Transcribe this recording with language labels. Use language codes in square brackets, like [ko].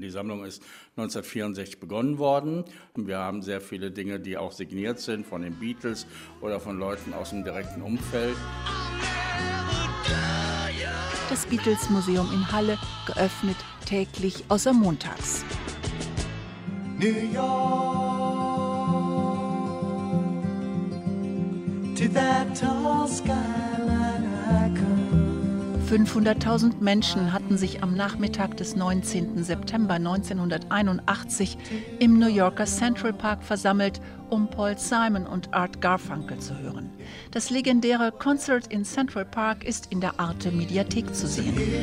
[de] Die Sammlung ist 1964 begonnen worden. Wir haben sehr viele Dinge, die auch signiert sind von den Beatles oder von Leuten aus dem direkten Umfeld. Das Beatles-Museum in Halle, geöffnet täglich außer montags. [en] New York, to that tall skyline I come. [de] 500.000 Menschen hatten sich am Nachmittag des 19. September 1981 im New Yorker Central Park versammelt, um Paul Simon und Art Garfunkel zu hören. Das legendäre Concert in Central Park ist in der Arte Mediathek zu sehen.